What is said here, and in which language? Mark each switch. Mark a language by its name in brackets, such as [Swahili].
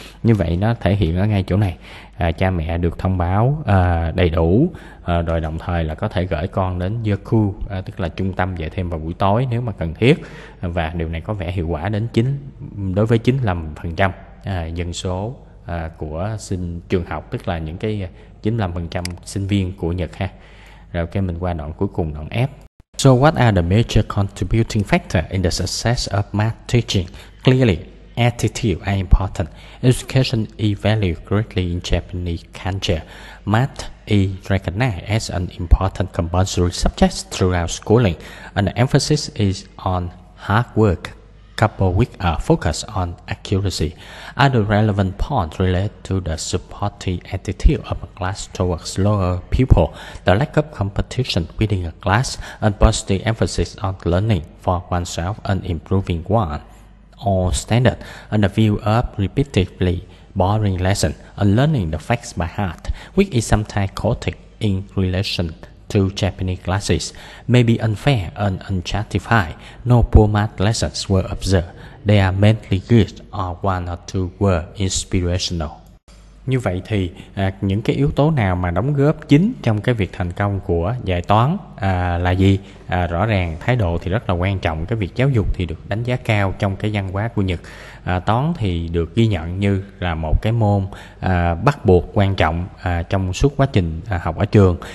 [Vietnamese] Như vậy nó thể hiện ở ngay chỗ này, cha mẹ được thông báo đầy đủ, rồi đồng thời là có thể gửi con đến Yoku, tức là trung tâm dạy thêm vào buổi tối nếu mà cần thiết, và điều này có vẻ hiệu quả đến đối với 95% dân số của sinh trường học, tức là những cái 95% sinh viên của Nhật ha. Rồi ok, mình qua đoạn cuối cùng, đoạn F. [English] So what are the major contributing factors in the success of math teaching? Clearly, attitude are important. Education is valued greatly in Japanese culture. Math is recognized as an important compulsory subject throughout schooling, and the emphasis is on hard work, coupled with a focus on accuracy. Other relevant points relate to the supportive attitude of a class towards lower pupils, the lack of competition within a class, and positive emphasis on learning for oneself and improving one's standard, and the view of repeatedly boring lessons and learning the facts by heart, which is sometimes quoted in relation to Japanese classes, may be unfair and unjustified. No poor math lessons were observed. They are mainly good, or one or two were inspirational. [Vietnamese] Như vậy thì những cái yếu tố nào mà đóng góp chính trong cái việc thành công của dạy toán là gì? Rõ ràng thái độ thì rất là quan trọng. Cái việc giáo dục thì được đánh giá cao trong cái văn hóa của Nhật. Toán thì được ghi nhận như là một cái môn bắt buộc quan trọng trong suốt quá trình học ở trường.